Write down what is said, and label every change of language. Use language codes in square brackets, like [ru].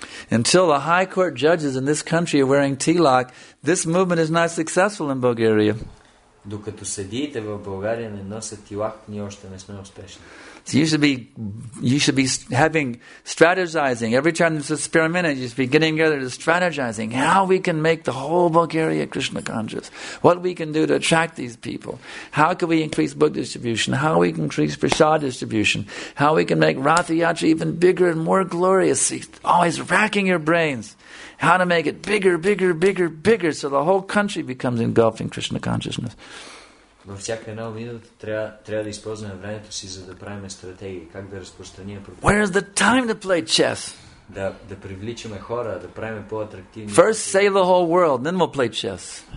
[en] Until the high court judges in this country are wearing tilak, this movement is not successful in Bulgaria. [bg] Докато съдиите в България не носят тилак, ние още не сме успешни. [en] So you should be having strategizing every time there's a spare minute. You should be getting together to strategizing how we can make the whole Bulgaria Krishna conscious. What we can do to attract these people? How can we increase book distribution? How we can increase prasad distribution? How we can make Ratha Yatra even bigger and more glorious? Always racking your brains. How to make it bigger, bigger, bigger, bigger, so the whole country becomes engulfed in Krishna consciousness. [bg] Във всяка една минута трябва да използваме времето си, за да правим стратегии. Как да разпространим пропаганда. [en] Where is the time to play chess? [bg] Да привличаме хора, да правим по-атрактивни. [en] First save the whole world, then we'll play chess.